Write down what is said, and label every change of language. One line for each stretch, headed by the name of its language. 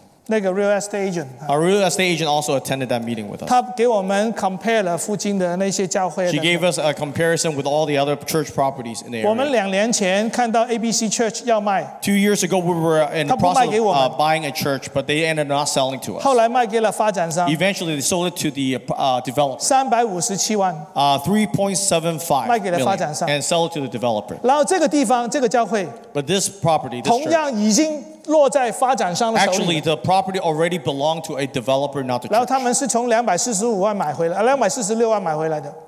English: 那个 real estate agent. Our real estate agent also attended that meeting with us.
Chinese: 他给我们 compare 了附近的那些教会。
English: She gave us a comparison with all the other church properties in the area.
Chinese: 我们两年前看到 ABC Church 要卖。
English: 2 years ago, we were in the process of buying a church, but they ended not selling to us.
Chinese: 后来卖给了发展商。
English: Eventually, they sold it to the developer.
Chinese: 357万。
English: 3.75 million.
Chinese: 卖给了发展商。
English: And sell it to the developer.
Chinese: 然后这个地方，这个教会。
English: But this property, this church,
Chinese: 同样已经。
English: Actually, the property already belonged to a developer, not the church.
Chinese: 然后他们是从245万买回来，246万买回来的。